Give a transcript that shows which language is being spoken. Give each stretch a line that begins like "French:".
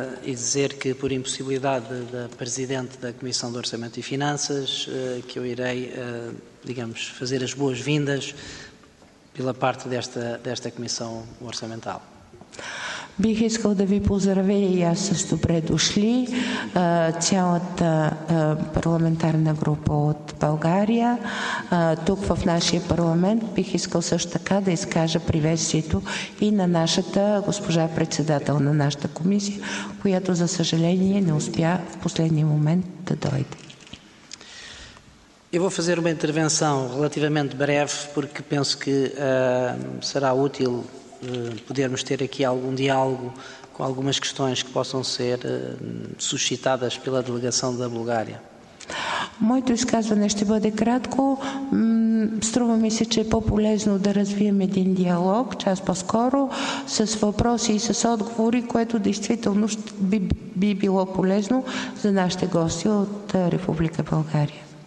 Portuguese: E dizer que, por impossibilidade da Presidente da Comissão de Orçamento e Finanças, que eu irei, digamos, fazer as boas-vindas pela parte desta Comissão Orçamental.
Bulgarian: Бих искал да ви поздравя и аз с добре дошли цялата парламентарна група от България тук в нашия парламент. Бих искал също така да изкажа приветствието и на нашата госпожа председател на нашата комисия, която за съжаление не успя в последния момент да дойде.
Portuguese: Eu vou fazer uma intervenção relativamente breve porque penso que será útil podermos ter aqui algum diálogo com algumas questões que possam ser suscitadas pela delegação da Bulgária.
Bulgarian: Моето изказване ще бъде кратко. Струва ми се, че е по-полезно да развием един диалог, час по-скоро, с въпроси и с отговори, което действително би било полезно за нашите гости от Република България.